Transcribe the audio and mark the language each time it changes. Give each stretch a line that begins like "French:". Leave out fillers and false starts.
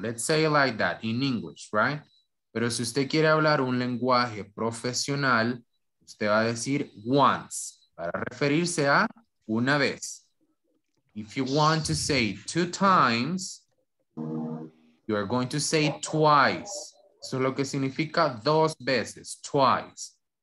English: Let's say it like that in English, right?
Spanish: Pero si usted quiere hablar un lenguaje profesional, usted va a decir once. Para referirse a una vez.
English: If you want to say two times, you are going to say twice.
Spanish: Eso es lo que significa dos veces, twice.